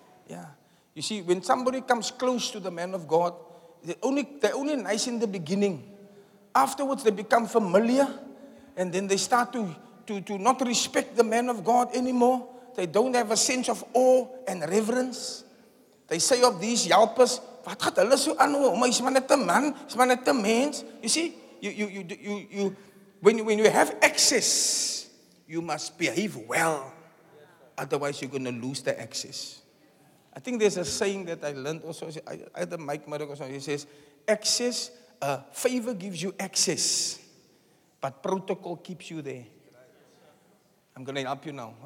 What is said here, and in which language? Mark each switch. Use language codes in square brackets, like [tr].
[en] Yeah, you see, when somebody comes close to the man of God, they're only nice in the beginning. Afterwards, they become familiar, and then they start to not respect the man of God anymore. They don't have a sense of awe and reverence. They say of these yalpers, [af] "Wat gaat hulle so aan hom? Is maar net 'n man, is maar net 'n mens." [en] You see, you. When you have access, you must behave well. Otherwise, you're going to lose the access. I think there's a saying that I learned also. I had a Mike Murdoch or something. He says, access, favor gives you access, but protocol keeps you there. I'm going to help you now.